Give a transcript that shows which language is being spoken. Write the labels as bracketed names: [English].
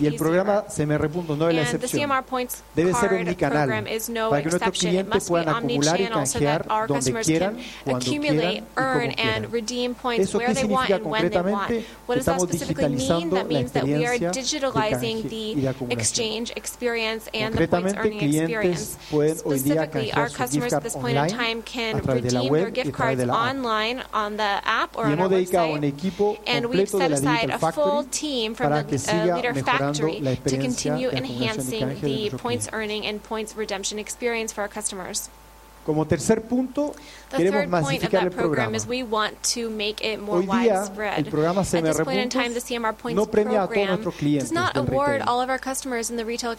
[Spanish] Y el programa CMR Puntos no es la excepción. Debe ser unicanal para que nuestros clientes puedan acumular y canjear donde quieran, cuando quieran y como quieran. ¿Eso qué significa concretamente? Estamos digitalizando la experiencia de canje y de acumulación. Concretamente, clientes pueden hoy día canjear sus gift cards online, [English] time can redeem their gift cards online on the app or on our website, and we've set aside a full team from the Leader Factory to continue enhancing the points earning and points redemption experience for our customers. [Spanish] Como tercer punto, queremos masificar el programa. Hoy día, el programa CMR Puntos no premia a todos nuestros clientes del retail.